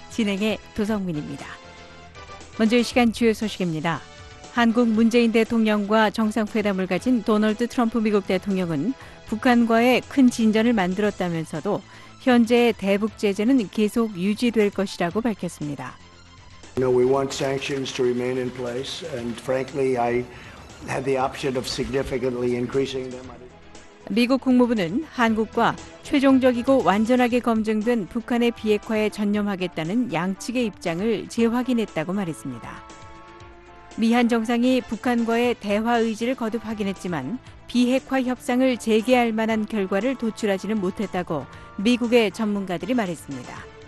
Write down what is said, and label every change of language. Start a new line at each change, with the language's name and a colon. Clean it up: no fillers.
Korean: 진행의 도성민입니다. 먼저 이 시간 주요 소식입니다. 한국 문재인 대통령과 정상회담을 가진 도널드 트럼프 미국 대통령은 북한과의 큰 진전을 만들었다면서도 현재의 대북 제재는 계속 유지될 것이라고 밝혔습니다.
English: No, we want sanctions to remain in place and frankly I had the option of significantly increasing them.
Korean: 미국 국무부는 한국과 최종적이고 완전하게 검증된 북한의 비핵화에 전념하겠다는 양측의 입장을 재확인했다고 말했습니다. 미한 정상이 북한과의 대화 의지를 거듭 확인했지만 비핵화 협상을 재개할 만한 결과를 도출하지는 못했다고 미국의 전문가들이 말했습니다.